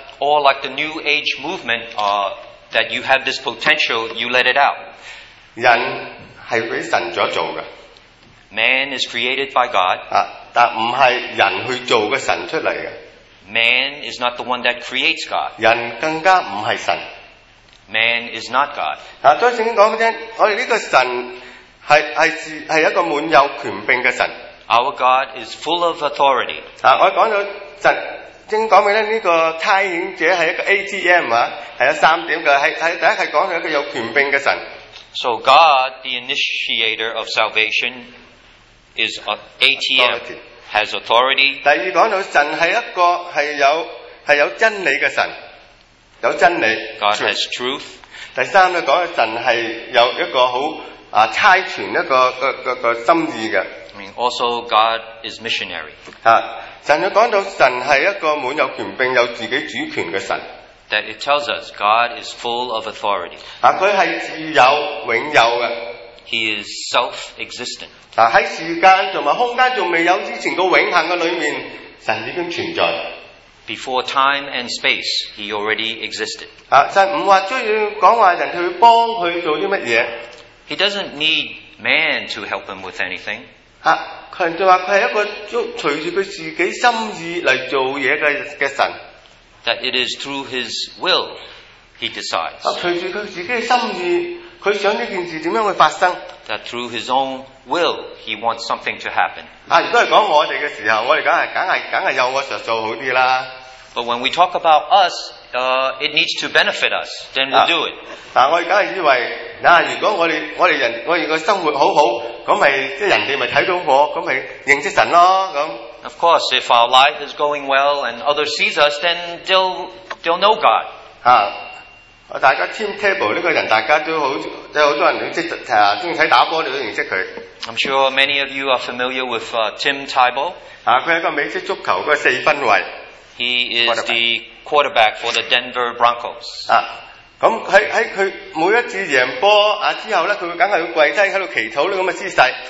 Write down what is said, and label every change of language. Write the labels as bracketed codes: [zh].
[en] Or like the New Age movement, that you have this potential, you let it out. [yue] 人系俾神咗做嘅。 [en] Man is created by God. [yue] 啊，但唔系人去做嘅神出嚟嘅。 [en] Man is not the one that creates God. [yue] 人更加唔系神。 [en] Man is not God. [yue] 啊，再正经讲翻先，我哋呢个神系一个满有权柄嘅神。 [en] Our God is full of authority. [yue] 啊，我讲到神，正讲明咧，呢个差遣者系一个 ATM 啊，系有三点嘅，系第一系讲系一个有权柄嘅神。 [en] So God, the initiator of salvation, is an ATM, has authority. [yue] 第二讲到神系一个系有真理嘅神，有真理。 [en] God has truth. [yue] 第三咧讲神系有一个好啊差传一个心意嘅。 [en] Also, God is missionary. [yue] 啊，神就讲到神系一个满有权柄、有自己主权嘅神。 [en] That it tells us God is full of authority. [yue] 啊，佢系自有、永有嘅。 [en] He is self-existent. [yue] 啊，喺时间同埋空间仲未有之前，个永恒嘅里面，神已经存在。 [en] Before time and space, He already existed. [yue] 啊，神唔话需要讲话人去帮佢做啲乜嘢。 [en] He doesn't need man to help him with anything. [yue] 啊！佢就话佢系一个随住佢自己心意嚟做嘢嘅神。 [en] That it is through his will he decides。 [yue] 啊，随住佢自己嘅心意，佢想呢件事点样会发生 [en] ？That through his own will he wants something to happen。 [yue] 啊，如果系讲我哋嘅时候，我哋梗系有我着数好啲啦。 [en] But when we talk about us, it needs to benefit us. Then we'll do it. [yue] 啊，我哋梗系以为，嗱，如果我哋人，我哋个生活好好。咁咪即人哋咪睇到我，咁咪認識神咯。咁 [en] ，Of course, if our life is going well and others sees us, then they'll know God。 [yue] 啊，大家 team table 呢個人，大家都好，即好多人認識，啊，中意睇打波，你都認識佢。 [en] I'm sure many of you are familiar with Tim Tebow。 [yue] 啊，佢係一個美式足球嘅四分衞。 [en] He is the quarterback for the Denver Broncos。 [yue] 啊，咁喺佢每一次赢波啊之后咧，佢梗系会跪低喺度祈祷呢咁嘅姿势。